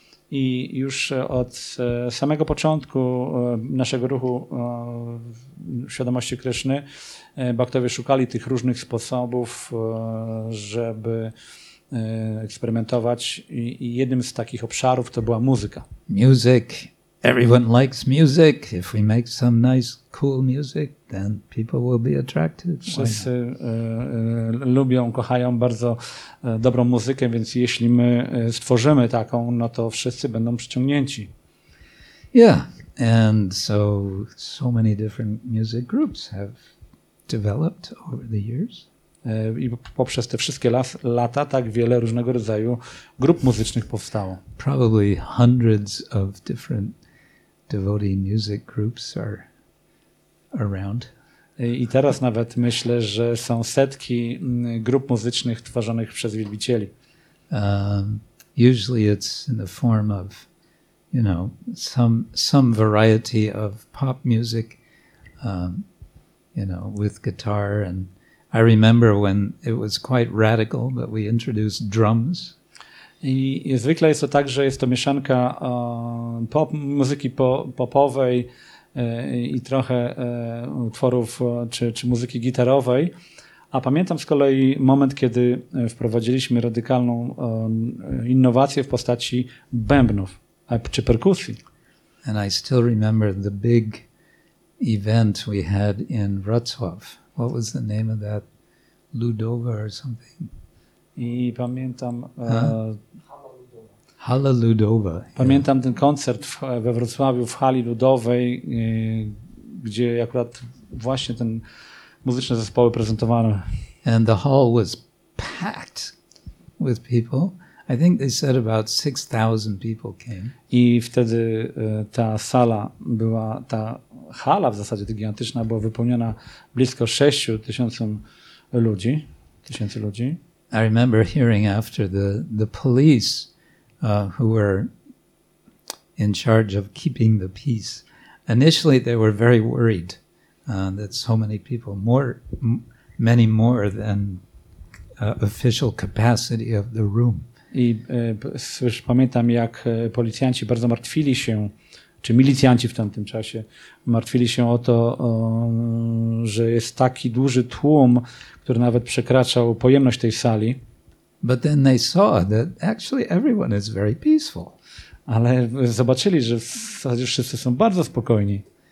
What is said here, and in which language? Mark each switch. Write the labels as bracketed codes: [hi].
[pl] I już od samego początku naszego ruchu świadomości Kryszny Bhaktowie szukali tych różnych sposobów, żeby eksperymentować. I jednym z takich obszarów to była muzyka. [en] Music. Everyone likes music. If we make some nice, cool music, then people will be attracted. [pl] Wszyscy lubią, kochają bardzo dobrą muzykę, więc jeśli my stworzymy taką, no to wszyscy będą przyciągnięci. [en] Yeah. And so many different music groups have developed over the years. [pl] I poprzez te wszystkie lata tak wiele różnego rodzaju grup muzycznych powstało. [en] Probably hundreds of different devotee music groups are around. [pl] I teraz nawet myślę, że są setki grup muzycznych tworzonych przez wielbicieli. [en] Usually it's in the form of, you know, some variety of pop music, you know, with guitar. And I remember when it was quite radical that we introduced drums. [pl] I zwykle jest to tak, że jest to mieszanka pop, muzyki popowej i trochę utworów czy muzyki gitarowej. A pamiętam z kolei moment, kiedy wprowadziliśmy radykalną innowację w postaci bębnów czy perkusji. [en] And I still remember the big event we had in Wrocław. What was the name of that? Ludowa or something? [pl] I pamiętam... Hala Ludowa. Pamiętam ten koncert we Wrocławiu w hali ludowej, gdzie akurat właśnie ten muzyczne zespoły prezentowano. [en] And the hall was packed with people. I think they said about 6,000 people came. [pl] I wtedy ta sala była, ta hala w zasadzie gigantyczna była wypełniona blisko 6,000 ludzi. [en] I remember hearing after the police who were in charge of keeping the peace. Initially they were very worried that so many people, many more than official capacity of the room. [pl] I pamiętam, jak policjanci bardzo martwili się, czy milicjanci w tamtym czasie martwili się o to, że jest taki duży tłum, który nawet przekraczał pojemność tej sali. [en] But then they saw that actually everyone is very peaceful. [pl] Ale zobaczyli, że w zasadzie wszyscy są bardzo spokojni.